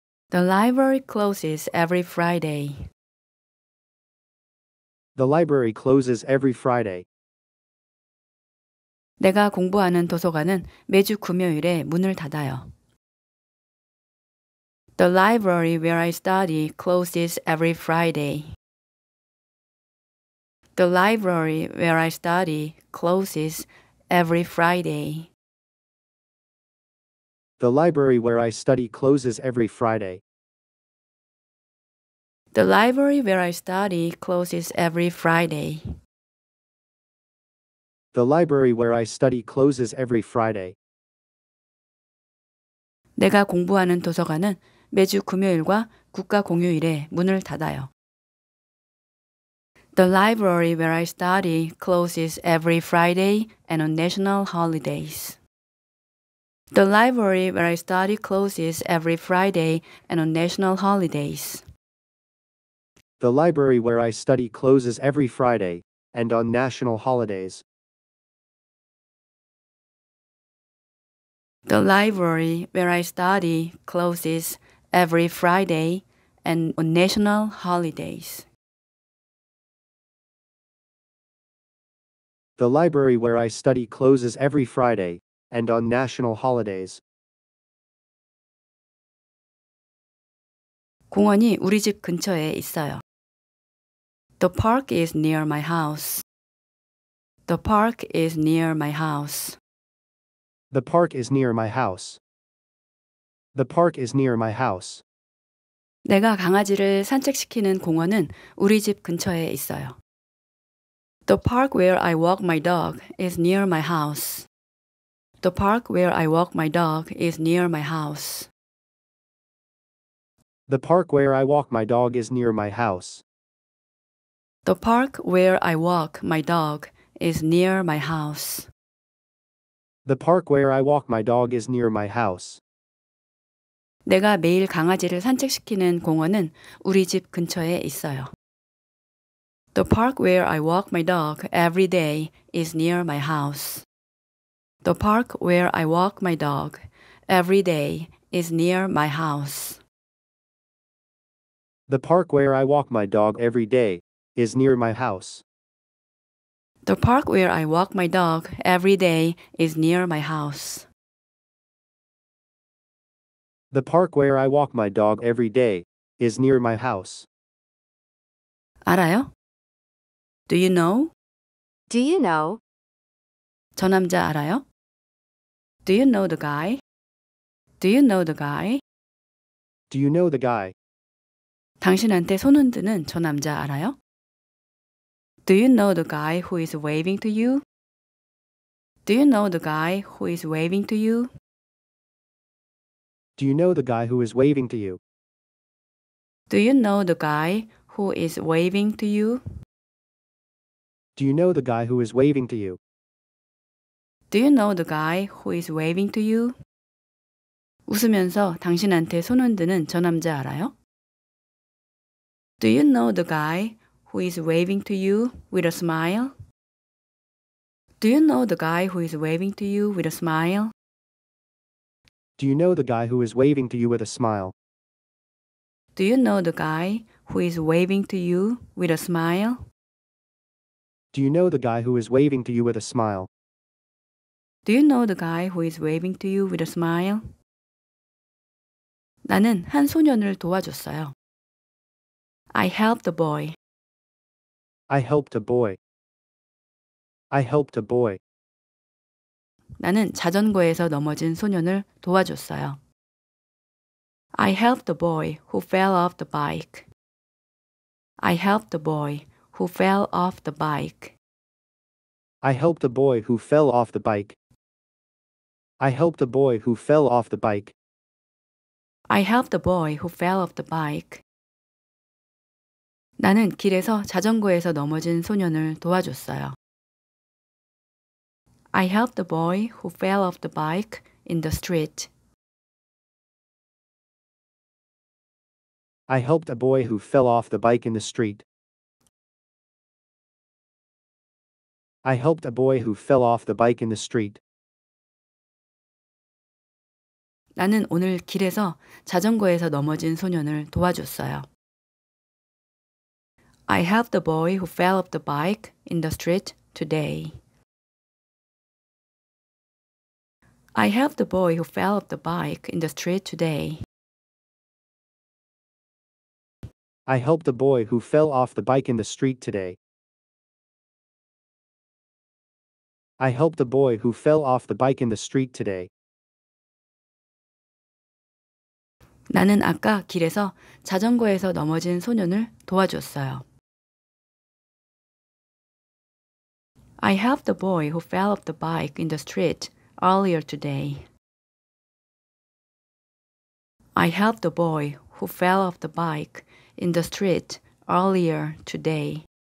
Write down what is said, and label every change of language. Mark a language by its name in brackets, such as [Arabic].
[English] The library closes every Friday. The library closes every Friday. [Korean] 내가 공부하는 도서관은 매주 금요일에 문을 닫아요. [English] The library where I study closes every Friday. The library where I study closes every Friday. The library where I study closes every Friday. The library where I study closes every Friday. The library where I study closes every Friday. [Korean] 내가 공부하는 도서관은 매주 금요일과 국가 공휴일에 문을 닫아요. [English] The library where I study closes every Friday and on national holidays. The library where I study closes every Friday and on national holidays. The library where I study closes every Friday and on national holidays. The library where I study closes every Friday and on national holidays. The library where I study closes every Friday and on national holidays. [Korean] 공원이 우리 집 근처에 있어요. [English] The park is near my house. The park is near my house. The park is near my house. The park is near my house. [Korean] 내가 강아지를 산책시키는 공원은 우리 집 근처에 있어요. [English] The park where I walk my dog is near my house. The park where I walk my dog is near my house. The park where I walk my dog is near my house. The park where I walk my dog is near my house. The park where I walk my dog is near my house. [Korean] 내가 매일 강아지를 산책시키는 공원은 우리 집 근처에 있어요. [English] The park where I walk my dog every day is near my house. The park where I walk my dog every day is near my house. The park where I walk my dog every day is near my house. The park where I walk my dog every day is near my house. The park where I walk my dog every day is near my house. [Korean] 알아요? [English] Do you know? Do you know? [Korean] 저 남자 알아요? [English] Do you know the guy? Do you know the guy? Do you know the guy? [Korean] 당신한테 손 흔드는 저 남자 알아요? [English] Do you know the guy who is waving to you? Do you know the guy who is waving to you? Do you know the guy who is waving to you? Do you know the guy who is waving to you? Do you know the guy who is waving to you? Do you know the guy who is waving to you? [Korean] 웃으면서 당신한테 손 흔드는 저 남자 알아요? [English] Do you know the guy who is waving to you with a smile? Do you know the guy who is waving to you with a smile? Do you know the guy who is waving to you with a smile? Do you know the guy who is waving to you with a smile? Do you know the guy who is waving to you with a smile? Do you know the guy who is waving to you with a smile? [Korean] 나는 한 소년을 도와줬어요. [English] I helped a boy. I helped a boy. I helped a boy. [Korean] 나는 자전거에서 넘어진 소년을 도와줬어요. [English] I helped a boy who fell off the bike. I helped a boy who fell off the bike. I helped a boy who fell off the bike. I helped a boy who fell off the bike. I helped a boy who fell off the bike. [Korean] 나는 길에서 자전거에서 넘어진 소년을 도와줬어요. [English] I helped the boy who fell off the bike in the street. I helped a boy who fell off the bike in the street. I helped a boy who fell off the bike in the street. [Korean] 나는 오늘 길에서 자전거에서 넘어진 소년을 도와줬어요. [English] I helped the boy who fell off the bike in the street today. I helped the boy who fell off the bike in the street today. I helped a boy who fell off the bike in the street today. I helped a boy who fell off the bike in the street today. [Korean] 나는 아까 길에서 자전거에서 넘어진 소년을 도와줬어요. [English] I helped the boy who fell off the bike in the street earlier today. I helped the boy who fell off the bike in the street earlier today.